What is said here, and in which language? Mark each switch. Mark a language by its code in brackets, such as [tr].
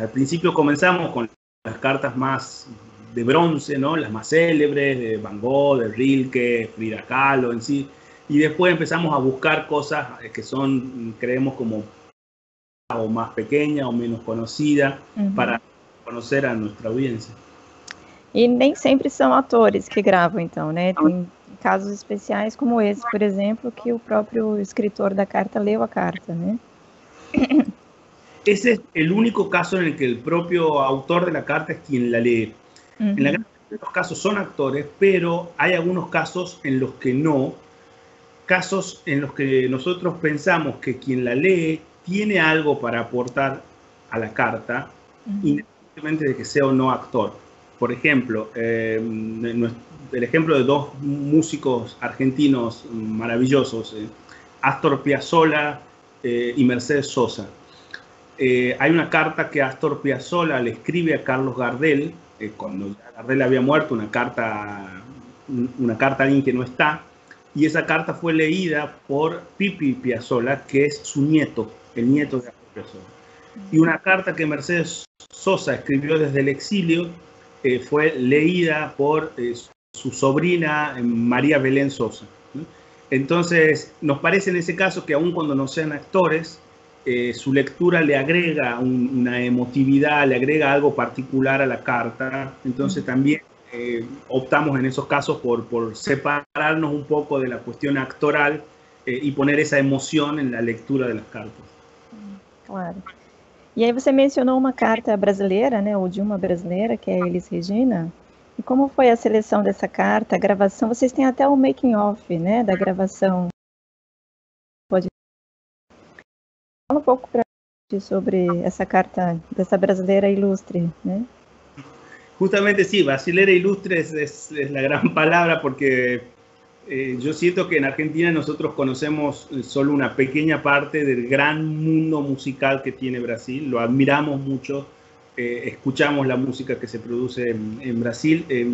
[es] Al principio comenzamos con las cartas más de bronce, ¿no? Las más célebres, de Van Gogh, de Rilke, Frida Kahlo en sí. Y después empezamos a buscar cosas que son, creemos, como más pequeña o menos conocida, uh-huh. para conocer a nuestra audiencia. [pt] E nem sempre são atores que gravam, então, né? Tem casos especiais como esse, por exemplo, que o próprio escritor da carta leu a carta, né? Esse é o único caso em que o próprio autor da carta é quem la lê. Uhum. Na grande maioria dos casos são atores, pero há alguns casos em los que não. Casos em los que nós pensamos que quem la lê tem algo para [es] aportar a la carta, [pt] uhum. independentemente de que seja ou não actor. [es] Por ejemplo, el ejemplo de dos músicos argentinos maravillosos, Astor Piazzolla y Mercedes Sosa. Hay una carta que Astor Piazzolla le escribe a Carlos Gardel, cuando Gardel había muerto, una carta a alguien que no está, y esa carta fue leída por Pipi Piazzolla, que es su nieto, el nieto de Astor Piazzolla. Y una carta que Mercedes Sosa escribió desde el exilio, fue leída por su sobrina María Belén Sosa. Entonces, nos parece en ese caso que aun cuando no sean actores, su lectura le agrega una emotividad, le agrega algo particular a la carta. Entonces, también optamos en esos casos por separarnos un poco de la cuestión actoral y poner esa emoción en la lectura de las cartas. Claro. [pt] E aí você mencionou uma carta brasileira, né, ou de uma brasileira, que é a Elis Regina. E como foi a seleção dessa carta, a gravação? Vocês têm até o making of, né, da gravação. Pode falar um pouco para gente sobre essa carta dessa brasileira ilustre, né? [es] Justamente sí, brasilera ilustre es la gran palabra porque yo siento que en Argentina nosotros conocemos solo una pequeña parte del gran mundo musical que tiene Brasil. Lo admiramos mucho, escuchamos la música que se produce en Brasil.